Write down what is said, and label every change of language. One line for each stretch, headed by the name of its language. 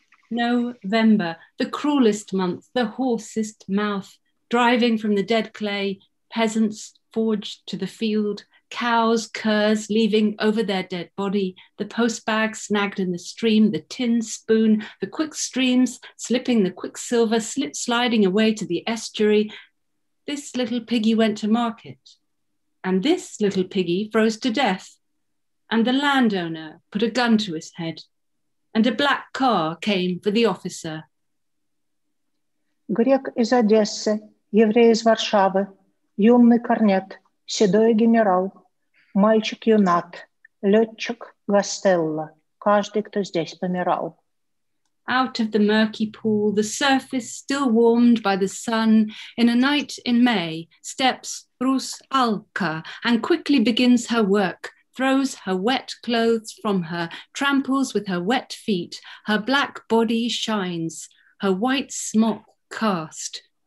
English: November, the cruelest month, the hoarsest mouth, driving from the dead clay, peasants forged to the field, cows, curs leaving over their dead body, the post bag snagged in the stream, the tin spoon, the quick streams slipping the quicksilver, slip sliding away to the estuary. This little piggy went to market, and this little piggy froze to death, and the landowner put a gun to his head, and a black car came for the officer.
Russian: Грек из Одессы, еврей из Варшавы, юный корнет, седой генерал. Мальчик юнат, летчик Гастелла, каждый, кто здесь помирал.
English: Out of the murky pool, the surface still warmed by the sun, in a night in May, steps Rus Alka and quickly begins her work, throws her wet clothes from her, tramples with her wet feet, her black body shines, her white smock cast.